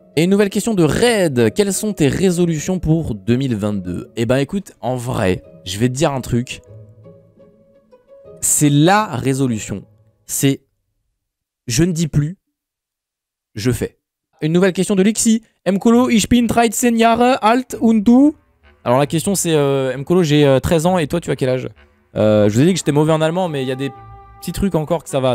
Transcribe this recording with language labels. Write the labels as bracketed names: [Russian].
[French] Et une nouvelle question de Red. Quelles sont tes résolutions pour 2022? Eh ben écoute, en vrai, je vais te dire un truc. C'est la résolution. C'est je ne dis plus, je fais. Une nouvelle question de Lixi. [German] Mkolo, ich bin 13 Jahre alt und du? [French] Alors la question c'est, Mkolo, j'ai 13 ans et toi tu as quel âge? Je vous ai dit que j'étais mauvais en allemand, mais il y a des petits trucs encore que ça va.